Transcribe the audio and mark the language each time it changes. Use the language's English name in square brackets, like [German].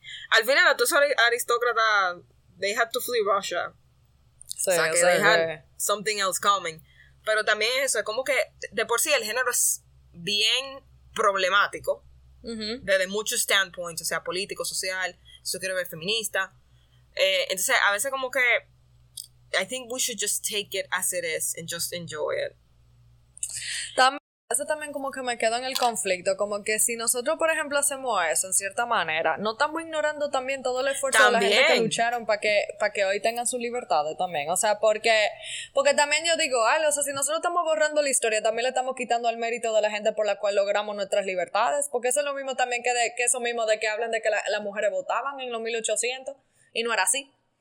[Spanish] Al final, a todos los aristócratas, [English] they had to flee Russia. [Spanish] Sí, o sea, que [English] they had something else coming. [Spanish] Pero también eso, es como que, de por sí, el género es bien problemático. Uh-huh. Desde muchos standpoints, o sea, político, social, si quiero ver feminista. Entonces, a veces como que, [English] I think we should just take it as it is and just enjoy it. [Spanish] Eso también como que me quedo en el conflicto, como que si nosotros, por ejemplo, hacemos eso en cierta manera, no estamos ignorando también todo el esfuerzo también de la gente que lucharon para que hoy tengan sus libertades también. O sea, porque también yo digo, o sea, si nosotros estamos borrando la historia, también le estamos quitando el mérito de la gente por la cual logramos nuestras libertades, porque eso es lo mismo también que eso mismo de que hablan de que las mujeres votaban en los 1800 y no era así.